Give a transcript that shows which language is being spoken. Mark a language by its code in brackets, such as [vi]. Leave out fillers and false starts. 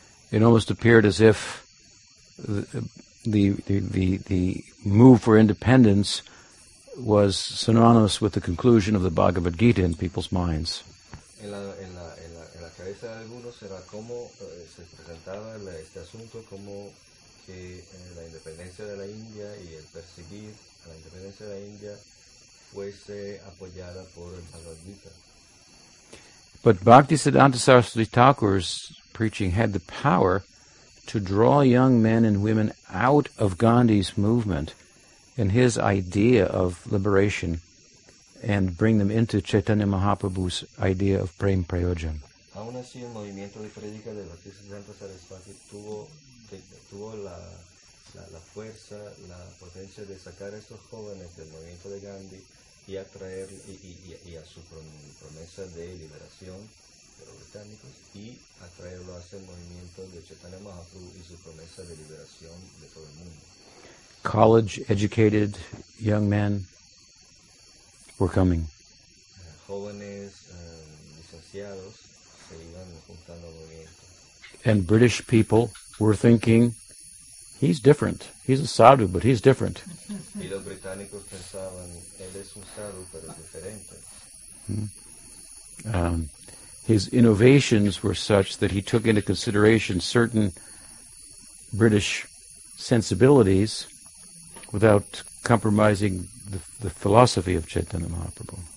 [en] It almost appeared as if the move for independence was synonymous with the conclusion of the Bhagavad Gita in people's minds. [es] En la cabeza de algunos era como se presentaba este asunto como que la independencia de la India y el perseguir a la independencia de la India fuese apoyada por el Bhagavad Gita. [en] But Bhaktisiddhanta Saraswati Thakur's preaching had the power to draw young men and women out of Gandhi's movement and his idea of liberation and bring them into Chaitanya Mahaprabhu's idea of Prem Prayojan. [es] Aún así, el movimiento de prédica de Bhaktisiddhanta Saraswati tuvo la fuerza, la potencia de sacar a estos jóvenes del movimiento de Gandhi y atraer y a su promesa de liberación de los británicos y atraerlo hacia el movimiento de Chaitanya Mahaprabhu y su promesa de liberación de todo el mundo. [en] College educated young men were coming. [es] Jóvenes licenciados se iban juntando al movimiento. [en] And British people were thinking, he's different. He's a sadhu, but he's different. [es] Y los británicos pensaban, él es un sadhu, pero diferente. [en] His innovations were such that he took into consideration certain British sensibilities without compromising the philosophy of Chaitanya Mahaprabhu.